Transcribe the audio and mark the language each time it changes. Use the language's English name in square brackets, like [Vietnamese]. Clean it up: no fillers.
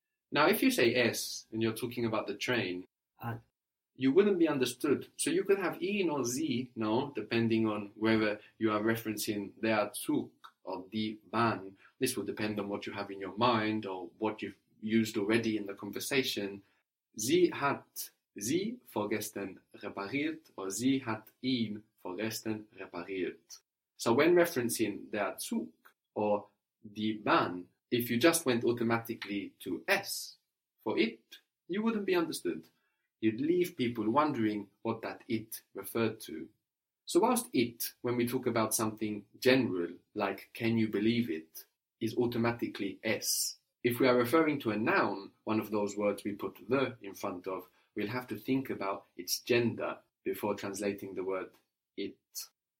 [English] Now, if you say es and you're talking about the train, you wouldn't be understood. So you could have ihn or sie, no, depending on whether you are referencing der Zug or die Bahn. This will depend on what you have in your mind or what you've used already in the conversation. [German] Sie hat sie vorgestern repariert, [English] or [German] sie hat ihn vorgestern repariert. [English] So when referencing der Zug or die Bahn, if you just went automatically to S for it, you wouldn't be understood. You'd leave people wondering what that it referred to. So whilst it, when we talk about something general, like can you believe it, is automatically S, if we are referring to a noun, one of those words we put the in front of, we'll have to think about its gender before translating the word it.